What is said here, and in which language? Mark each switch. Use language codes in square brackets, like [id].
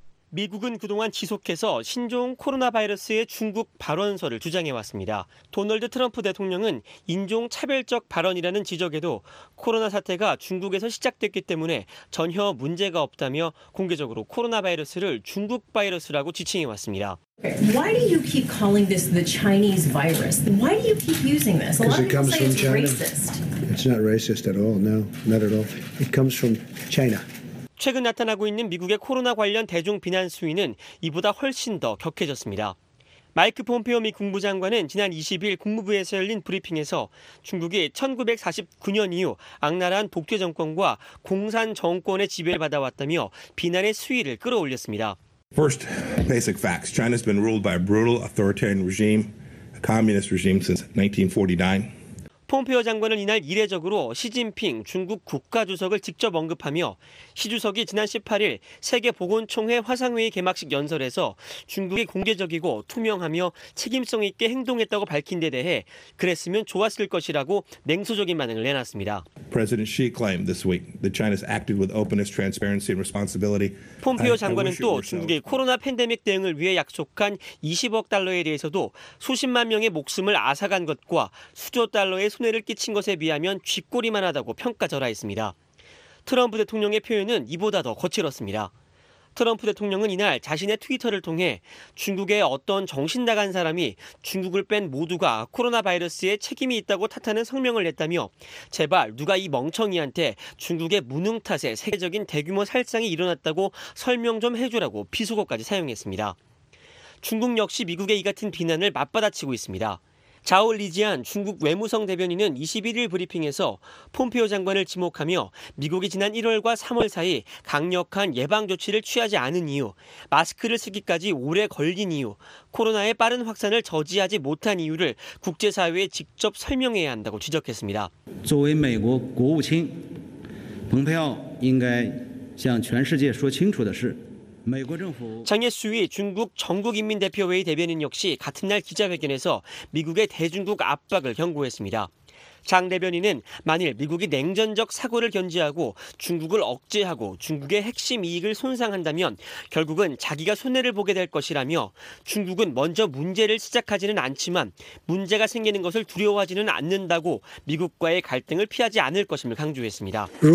[ko] 미국은 그동안 지속해서 신종 코로나 바이러스의 중국 발언설을 주장해왔습니다. 도널드 트럼프 대통령은 인종 차별적 발언이라는 지적에도 코로나 사태가 중국에서 시작됐기 때문에 전혀 문제가 없다며 공개적으로 코로나 바이러스를 중국 바이러스라고 지칭해왔습니다. [en] Why do you keep calling this the Chinese virus? Why do you keep using this? Because it comes from China. It's not racist at all. No, not at all. It comes from China. [ko] 최근 나타나고 있는 미국의 코로나 관련 대중 비난 수위는 이보다 훨씬 더 격해졌습니다. 마이크 폼페오 미 국무장관은 지난 20일 국무부에서 열린 브리핑에서 중국이 1949년 이후 악랄한 독재 정권과 공산 정권의 지배를 받아왔다며 비난의 수위를 끌어올렸습니다. [en] First basic facts. China's been ruled by a brutal authoritarian regime, a communist regime since 1949. [ko] 폼페오 장관은 이날 이례적으로 시진핑 중국 국가주석을 직접 언급하며 시 주석이 지난 18일 세계보건총회 화상회의 개막식 연설에서 중국이 공개적이고 투명하며 책임성 있게 행동했다고 밝힌 데 대해 그랬으면 좋았을 것이라고 냉소적인 반응을 내놨습니다. [en] President Xi claimed this week that China's acted with openness, transparency and responsibility. [ko] 폼페오 장관은 또 중국의 코로나 팬데믹 대응을 위해 약속한 20억 달러에 대해서도 수십만 명의 목숨을 앗아간 것과 수조 달러의 손해를 끼친 것에 비하면 쥐꼬리만하다고 평가절하했습니다. 트럼프 대통령의 표현은 이보다 더 거칠었습니다. 트럼프 대통령은 이날 자신의 트위터를 통해 중국의 어떤 정신 나간 사람이 중국을 뺀 모두가 코로나 바이러스에 책임이 있다고 탓하는 성명을 냈다며 제발 누가 이 멍청이한테 중국의 무능 탓에 세계적인 대규모 살상이 일어났다고 설명 좀 해주라고 비속어까지 사용했습니다. 중국 역시 미국의 이 같은 비난을 맞받아치고 있습니다. 자오 리지안 중국 외무성 대변인은 21일 브리핑에서 폼페오 장관을 지목하며 미국이 지난 1월과 3월 사이 강력한 예방 조치를 취하지 않은 이유, 마스크를 쓰기까지 오래 걸린 이유, 코로나의 빠른 확산을 저지하지 못한 이유를 국제사회에 직접 설명해야 한다고 지적했습니다. [zh] 作为美国国务卿, 蓬佩奥应该向全世界说清楚的是, [ko] 장예수위 중국 전국인민대표회의 대변인 역시 같은 날 기자회견에서 미국의 대중국 압박을 경고했습니다. 장 대변인은 만일 미국이 냉전적 사고를 견지하고 중국을 억제하고 중국의 핵심 이익을 손상한다면 결국은 자기가 손해를 보게 될 것이라며 중국은 먼저 문제를 시작하지는 않지만 문제가 생기는 것을 두려워하지는 않는다고 미국과의 갈등을 피하지 않을 것임을 강조했습니다.